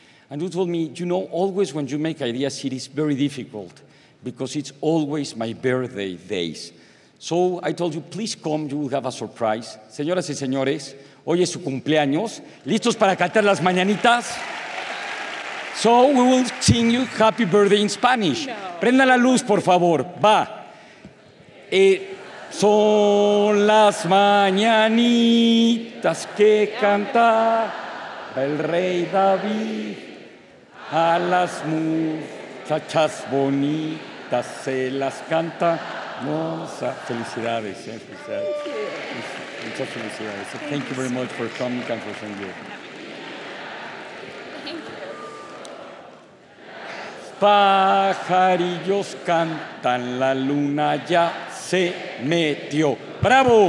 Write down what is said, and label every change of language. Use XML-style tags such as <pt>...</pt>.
<en>And you told me, you know, always when you make Idea City, it's very difficult, because it's always my birthday days. So I told you, please come, you will have a surprise.</en> <es>Señoras y señores, hoy es su cumpleaños. ¿Listos para cantar las mañanitas?</es> <en>So we will sing you happy birthday in Spanish. No.</en> <es>Prenda la luz, por favor. Va. Son las mañanitas que canta el rey David a las muchachas bonitas se las canta. Monza. Felicidades. Eh? Felicidades. Muchas felicidades.</es> <en>Thank you very much for coming and for saying you.</en> <es>Pajarillos cantan, la luna ya se metió. ¡Bravo!</es>